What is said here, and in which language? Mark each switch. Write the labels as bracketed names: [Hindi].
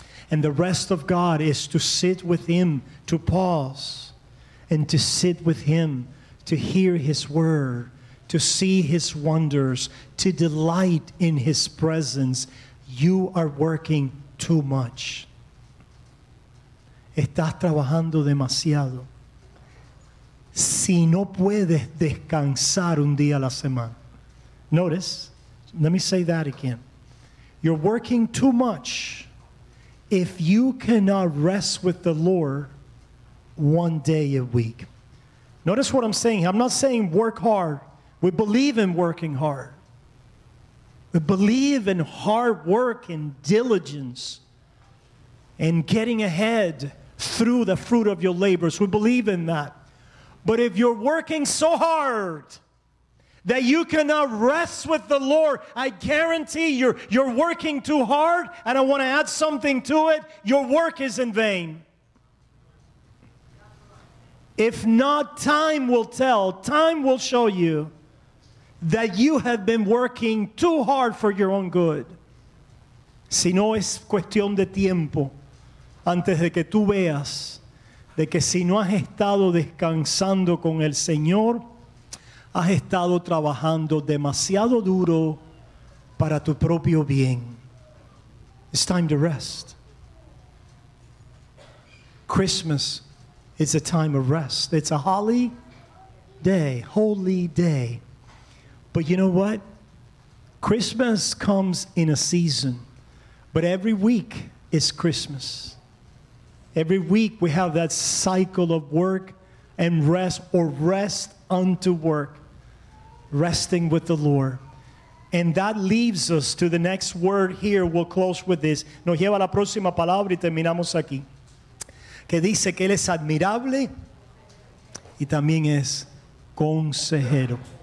[English] And the rest of God is to sit with Him, to pause, and to sit with Him, to hear His word, to see His wonders, to delight in His presence. You are working too much. [Spanish] Estás trabajando demasiado. Si no puedes descansar un día a la semana. [English] Notice, let me say that again. You're working too much if you cannot rest with the Lord 1 day a week. Notice what I'm saying. I'm not saying work hard. We believe in working hard. We believe in hard work and diligence and getting ahead through the fruit of your labors. We believe in that. But if you're working so hard that you cannot rest with the Lord, I guarantee you're working too hard, and I want to add something to it. Your work is in vain. If not, time will tell. Time will show you that you have been working too hard for your own good. [Spanish] Si no, es cuestión de tiempo antes de que tú veas de que si no has estado descansando con el Señor, has estado trabajando demasiado duro para tu propio bien. [English] It's time to rest. Christmas is a time of rest. It's a holy day. But you know what? Christmas comes in a season, but every week is Christmas. Every week we have that cycle of work and rest, or rest unto work, resting with the Lord. And that leaves us to the next word here. We'll close with this. [Spanish] Nos lleva a la próxima palabra y terminamos aquí. Que dice que Él es admirable y también es consejero.